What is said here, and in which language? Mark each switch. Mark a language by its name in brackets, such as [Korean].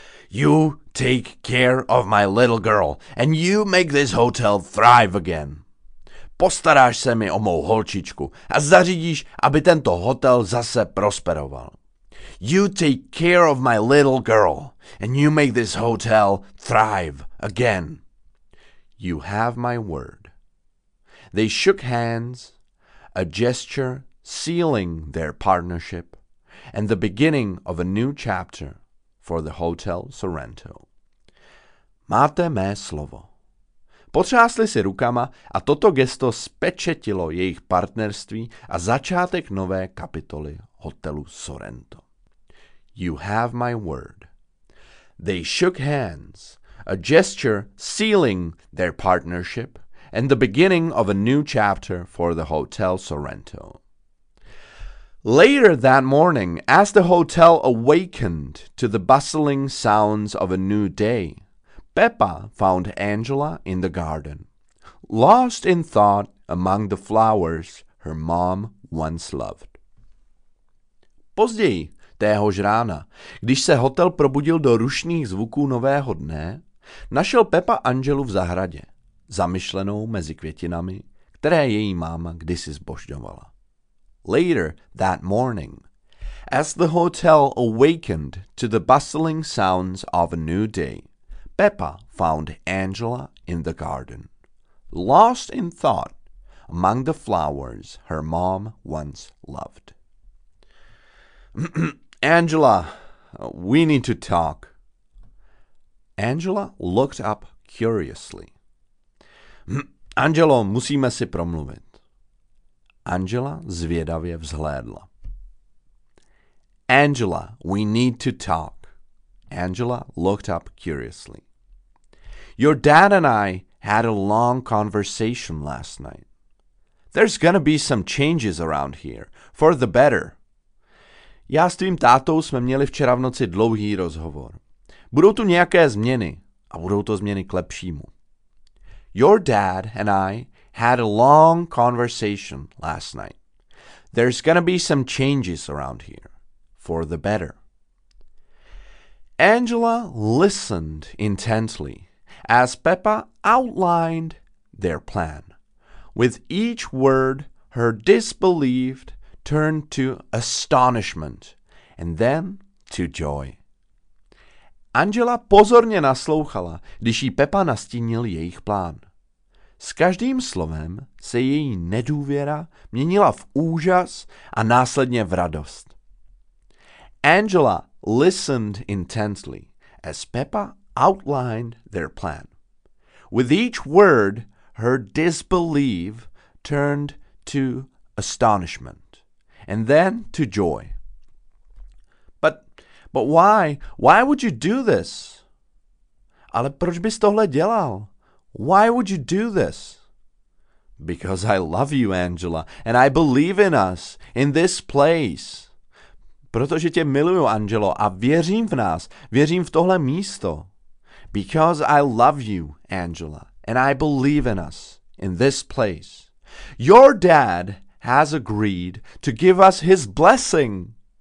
[English] You take care of my little girl and you make this hotel thrive again. [Czech] Postaráš se mi o mou holčičku a zařídíš, aby tento hotel zase prosperoval. [English] You take care of my little girl and you make this hotel thrive again. You have my word. They shook hands, a gesture sealing their partnership and the beginning of a new chapter for the Hotel Sorrento. [Czech] Máte mé slovo. Potřásli si rukama a toto gesto spečetilo jejich partnerství a začátek nové kapitoly Hotelu Sorrento. [English] You have my word. They shook hands, a gesture sealing their partnership and the beginning of a new chapter for the Hotel Sorrento. Later that morning, as the hotel awakened to the bustling sounds of a new day, Pepa found Angela in the garden, lost in thought among the flowers her mom once loved. [Czech] Později téhož rána, když se hotel probudil do rušných zvuků nového dne, našel Pepa Angelu v zahradě, zamyšlenou mezi květinami, které její máma kdysi zbožňovala. [English] Later that morning, as the hotel awakened to the bustling sounds of a new day, Pepa found Angela in the garden, lost in thought among the flowers her mom once loved. Angela, we need to talk. Angela looked up curiously. [Czech] Angelo, musíme si promluvit. Angela zvědavě vzhlédla. [English] Angela, we need to talk. Angela looked up curiously. Your dad and I had a long conversation last night. There's gonna be some changes around here, for the better. [Czech] Já s tvým tátou jsme měli včera v noci dlouhý rozhovor. Budou tu nějaké změny a budou to změny k lepšímu. [English] Your dad and I had a long conversation last night. There's gonna be some changes around here, for the better. Angela listened intently as Pepa outlined their plan. With each word, her disbelief turned to astonishment, and then to joy. [Czech] Angela pozorně naslouchala, když jí Pepa nastínil jejich plán. S každým slovem se její nedůvěra měnila v úžas a následně v radost. [English] Angela listened intently as Pepa outlined their plan. With each word, her disbelief turned to astonishment and then to joy. But why? Why would you do this? [Czech] Ale proč bys tohle dělal? [English] Why would you do this? Because I love you, Angela, and I believe in us, in this place. [Czech] Protože tě miluju, Angelo, a věřím v nás, věřím v tohle místo. [English] Because I love you, Angela, and I believe in us, in this place. Your dad has agreed to give us his blessing.